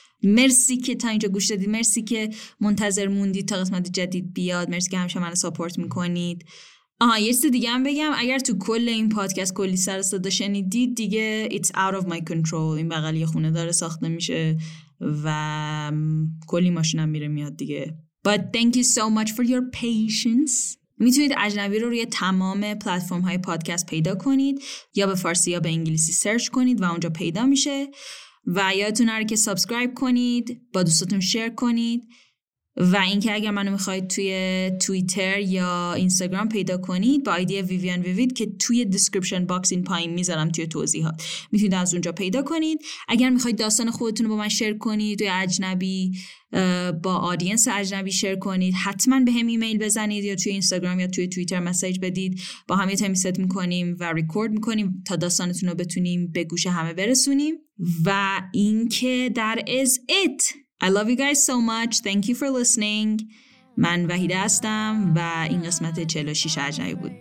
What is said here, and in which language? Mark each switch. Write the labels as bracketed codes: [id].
[fa] مرسی که تا اینجا گوش دادید. مرسی که منتظر موندید تا قسمت جدید بیاد. مرسی که همیشه منو ساپورت میکنید. آها، یه چیز دیگه هم بگم. اگر تو کل این پادکست کلی سر صدا شنیدید، دیگه [en] it's out of my control. [fa] این بغل یه خونه داره ساخته میشه و کلی ماشین هم میره میاد دیگه. [en] But thank you so much for your patience. [fa] میتونید اجنبی رو روی تمام پلتفرم های پادکست پیدا کنید، یا به فارسی یا به انگلیسی سرچ کنید و اونجا پیدا میشه. و یادتون هر که سابسکرایب کنید، با دوستاتون شیر کنید. و اینکه اگر منو میخواید توی توییتر یا اینستاگرام پیدا کنید با آیدی ویویان ویوید که توی دیسکریپشن باکس این پایین میذارم توی توضیحات، میتونید از اونجا پیدا کنید. اگر میخواید داستان خودتون رو با من شیر کنید، توی اجنبی با آدینس اجنبی شیر کنید، حتما به هم ایمیل بزنید یا توی اینستاگرام یا توی توییتر مسیج بدید. با هم یه تایم ست میکنیم و ریکورد میکنیم تا داستانتون رو بتونیم به گوش همه برسونیم. و اینکه [en] در از ایت، I love you guys so much. Thank you for listening. [fa] من وحیده هستم و این قسمت 46 اجنبی بود.